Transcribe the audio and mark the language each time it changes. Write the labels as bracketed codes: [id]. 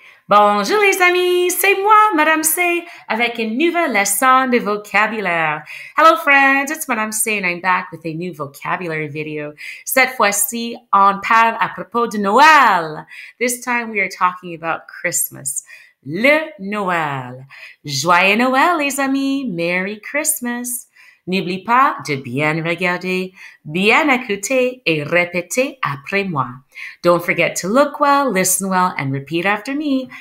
[fr] Bonjour les amis, c'est moi, Madame C, avec une nouvelle leçon de vocabulaire. [en] Hello friends, it's Madame C and I'm back with a new vocabulary video. [fr] Cette fois-ci, on parle à propos de Noël. [en] This time we are talking about Christmas. [fr] Le Noël. Joyeux Noël les amis, [en] Merry Christmas. [fr] N'oublie pas de bien regarder, bien écouter et répéter après moi. [en] Don't forget to look well, listen well, and repeat after me.